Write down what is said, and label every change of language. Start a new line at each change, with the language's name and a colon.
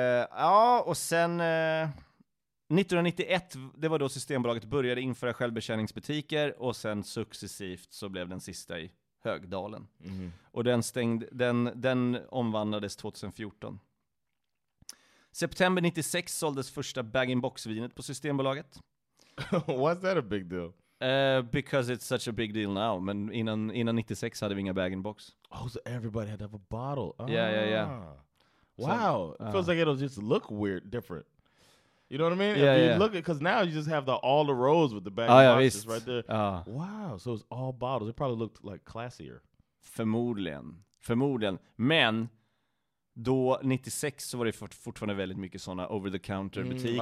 Swedish: Ja, och sen 1991, det var då Systembolaget började införa självbetjäningsbutiker, och sen successivt så blev den sista i Högdalen. Mm. Och den omvandlades 2014. September 96 såldes första bag-in-box-vinet på Systembolaget.
English: Why's that a big deal? Because it's such a big deal now.
Swedish: Men innan 96 hade vi inga bag-in-box.
English: Oh, so everybody had to have a bottle. Oh. Yeah. Wow, so, it feels like it'll just look weird, different. You know what I mean? Look, because now you just have all the rows with the bag boxes right there. Wow, so it's all bottles. It probably looked like classier.
Swedish: Förmodligen. Men då 96 så var det fortfarande väldigt mycket såna over-the-counter butiker.